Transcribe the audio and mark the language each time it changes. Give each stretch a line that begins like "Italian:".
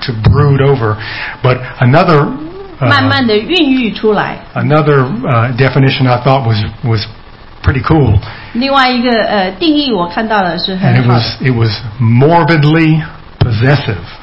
English: to brood over, but another
Chinese: 慢慢的孕育出来
English: another definition I thought was pretty cool.
Chinese: 另外一个定义我看到的是很好的
English: and it was morbidly possessive.